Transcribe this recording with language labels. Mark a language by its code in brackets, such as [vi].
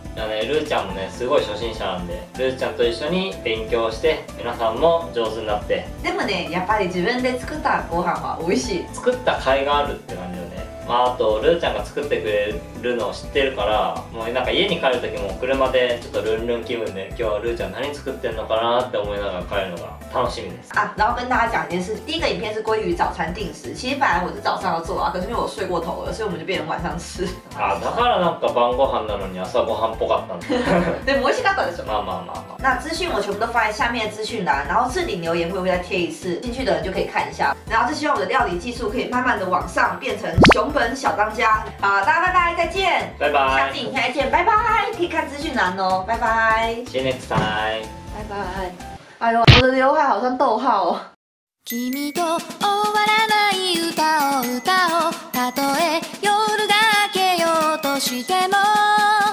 [ja] じゃあね、ルーちゃんもねすごい初心者なんで、ルーちゃんと一緒に勉強して皆さんも上手になって。でもね、やっぱり自分で作ったご飯は美味しい、作った甲斐があるって感じよね。まあ、あとルーちゃんが作ってくれるのを知ってるから、もうなんか家に帰る時も車でちょっとルンルン気分で、今日はルーちゃん何作ってんのかなって思いながら帰るのが楽しみです。 [zh] あ、然后跟大家讲一件事。第一个影片是关于早餐定时。其实本来我是早上要做啊，可是因为我睡过头了，所以我们就变成晚上吃。 [ja] あ、だからなんか晩ご飯なのに朝ご飯っぽかったんだ。でも美味しかったでしょ。まあ。 [zh] 那资讯我全部都放在下面的资讯栏，然后置顶留言会不会再贴一次，进去的人就可以看一下。然后就希望我的料理技术可以慢慢的往上，变成熊本小当家。好，大家拜拜，再见。拜拜。下次影片再见，拜拜。可以看资讯栏哦，拜拜。 [en] See you next time。 [zh] 拜拜。哎呦，我的刘海好像逗号哦。 [ja] 君と終わらない歌を歌おう。たとえ夜が明けようとしても。